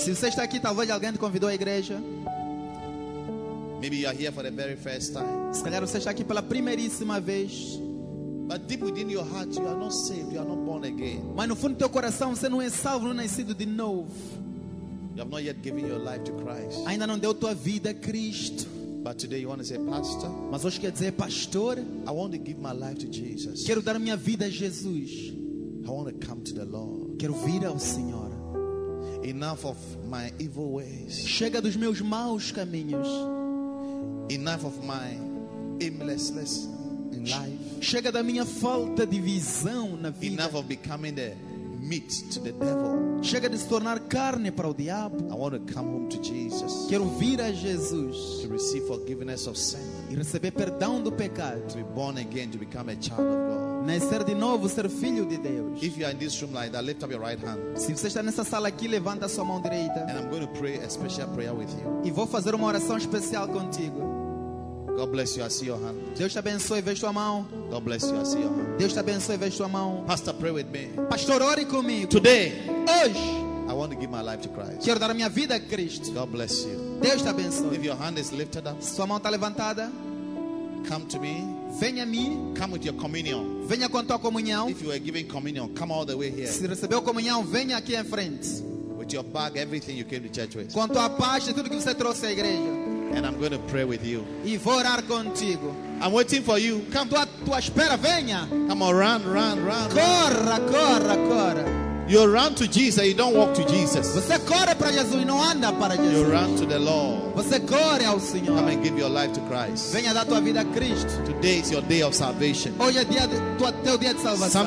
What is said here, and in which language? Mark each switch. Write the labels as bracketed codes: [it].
[pt] Se você está aqui, talvez alguém te convidou à igreja. [en] Maybe you are here for the very first time. [pt] Se calhar você está aqui pela primeiríssima vez. [en] But deep within your heart, you are not saved. You are not born again. [pt] Mas no fundo do teu coração, você não é salvo, não é nascido de novo. [en] You have not yet given your life to Christ. [pt] Ainda não deu tua vida a Cristo. [en] But today you want to say, Pastor. [pt] Mas hoje quer dizer, Pastor. [en] I want to give my life to Jesus. [pt] Quero dar minha vida a Jesus. [en] I want to come to the Lord. [pt] Quero vir ao Senhor. [en] Enough of my evil ways. [pt] Chega dos meus maus caminhos. [en] Enough of my aimlessness in life. [pt] Chega da minha falta de visão na vida. [en] Enough of becoming the meat to the devil. [pt] Chega de se tornar carne para o diabo. [en] I want to come home to Jesus. [pt] Quero vir a Jesus. [en] To receive forgiveness of sin. [pt] E receber perdão do pecado. [en] To be born again, to become a child of God. [pt] Nascer de novo, ser filho de Deus. [en] If you are in this room like that, lift up your right hand. [pt] Se você está nessa sala aqui, levanta sua mão direita. [en] And I'm going to pray a special prayer with you. [pt] E vou fazer uma oração especial contigo. [en] God bless you. I see your hand. [pt] Deus te abençoe, vejo tua mão. [en] God bless you. I see your hand. [pt] Deus te abençoe, vejo tua mão. [en] Pastor, pray with me. [pt] Pastor, ore comigo. [en] Today, [pt] hoje, [en] I want to give my life to Christ. [pt] Quero dar a minha vida a Cristo. [en] God bless you. [pt] Deus te abençoe. [en] If your hand is lifted up, [pt] sua mão está levantada. [en] Come to me. [pt] Venha a mim. [en] Come with your communion. [pt] Venha com tua comunhão. [en] If you are giving communion, come all the way here. [pt] Se recebeu comunhão, venha aqui em frente. [en] With your bag, everything you came to church with. [pt] Com tua pasta, tudo que você trouxe à igreja. [en] And I'm going to pray with you. [pt] E vou orar contigo. [en] I'm waiting for you. Come, [pt] tua espera, venha. [en] Come on, run. [pt] Corra, corra. [en] You run to Jesus, you don't walk to Jesus. [pt] Você corre para Jesus e não anda para Jesus. [en] You run to the Lord. [pt] Você corre ao Senhor. [en] Come and give your life to Christ. [pt] Venha dar tua vida a Cristo. [en] Today is your day of salvation. [pt] Hoje é dia de, teu dia de salvação.